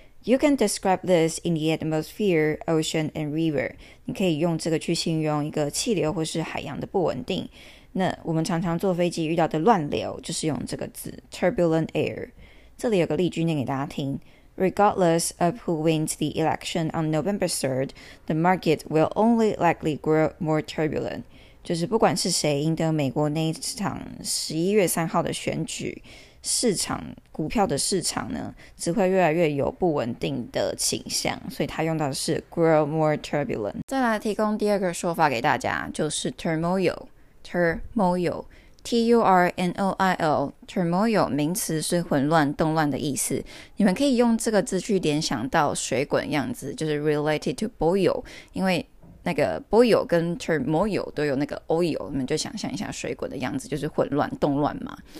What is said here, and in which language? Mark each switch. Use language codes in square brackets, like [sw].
[en] You can describe this in the atmosphere, ocean, and river. [zh] 你可以用这个去形容一个气流或是海洋的不稳定。那我们常常坐飞机遇到的乱流就是用这个字 turbulent air. 这里有个例句念给大家听。 [en] Regardless of who wins the election on November 3rd, the market will only likely grow more turbulent. [zh] 就是不管是谁赢得美国那一场11月3号的选举，市场股票的市场呢，只会越来越有不稳定的倾向，所以他用到的是 [en] grow more turbulent。 [zh] 再来提供第二个说法给大家，就是 turmoil turmoil T-U-R-N-O-I-L turmoil 名词是混乱动乱的意思，你们可以用这个字去联想到水滚样子，就是 [en] related to boil， [zh] 因为那个 boil 跟 turmoil 都有那个 oil， 你们就想象一下水滚的样子，就是混乱动乱嘛。